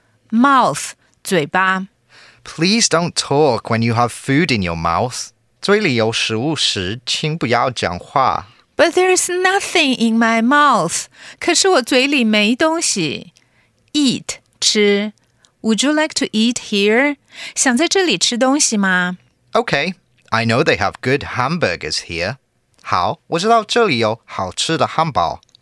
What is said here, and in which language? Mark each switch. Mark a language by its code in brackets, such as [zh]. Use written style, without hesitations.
[en] Mouth, 嘴巴。 Please don't talk when you have food in your mouth. [zh] 嘴里有食物时，请不要讲话。 [en] But there is nothing in my mouth. [zh] 可是我嘴里没东西。 [en] Eat, 吃。Would you like to eat here? [zh] 想在这里吃东西吗? [en] Okay, I know they have good hamburgers here. [zh] 好,我知道这里有好吃的汉堡。